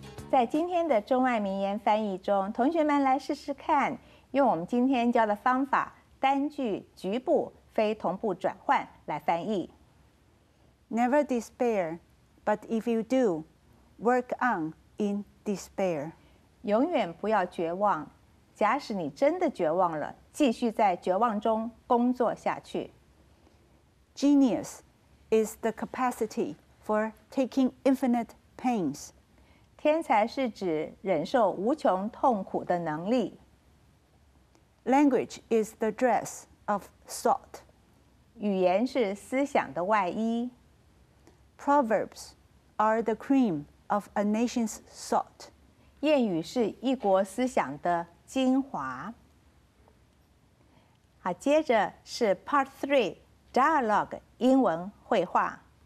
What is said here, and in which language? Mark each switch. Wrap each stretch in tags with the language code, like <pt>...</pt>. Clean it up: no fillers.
<zh>在今天的中外名言翻译中，同学们来试试看，用我们今天教的方法，单句局部非同步转换来翻译。</zh> <en>Never despair, but if you do, work on in despair.</en> <zh>永远不要绝望，假使你真的绝望了，继续在绝望中工作下去。</zh> <en>Genius is the capacity for taking infinite pains.</en> <zh>天才是指忍受无穷痛苦的能力。</zh> <en>Language is the dress of thought.</en> <zh>语言是思想的外衣。</zh> <en>Proverbs are the cream of a nation's thought.</en> <zh>谚语是一国思想的精华。好，接着是</zh> <en>Part 3 Dialogue</en> <zh>英文绘画。</zh>